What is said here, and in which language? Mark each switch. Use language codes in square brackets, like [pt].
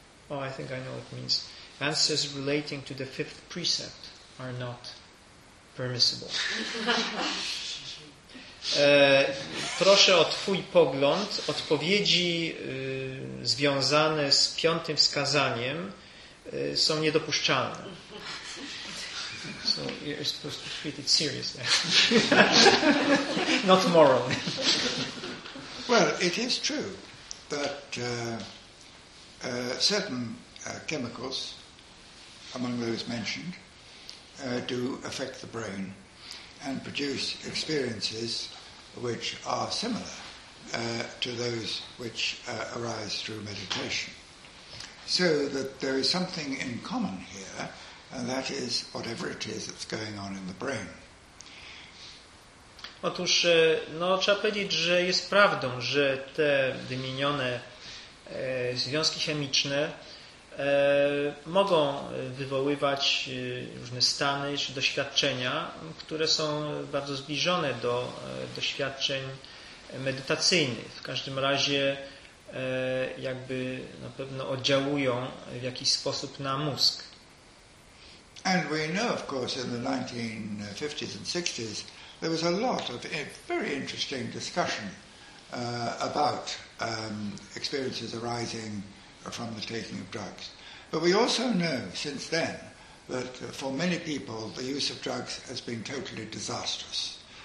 [en] Oh, I think I know what it means. Answers relating to the fifth precept are not permissible. [pl] Proszę o twój pogląd. Odpowiedzi związane z piątym wskazaniem są niedopuszczalne. [en] So you're supposed to treat it seriously, not morally. Well, it is true that certain chemicals, among those mentioned, do affect the brain and produce experiences which are similar to those which arise through meditation. So that there is something in common here. And that is whatever it is that's going on in the brain. [pl] Otóż, no, trzeba powiedzieć, że jest prawdą, że te wymienione związki chemiczne mogą wywoływać różne stany czy doświadczenia, które są bardzo zbliżone do doświadczeń medytacyjnych. W każdym razie jakby na pewno oddziałują w jakiś sposób na mózg. [en] And we know, of course, in the 1950s and 60s, there was a lot of very interesting discussion about experiences arising from the taking of drugs. But we also know since then that for many people, the use of drugs has been totally disastrous.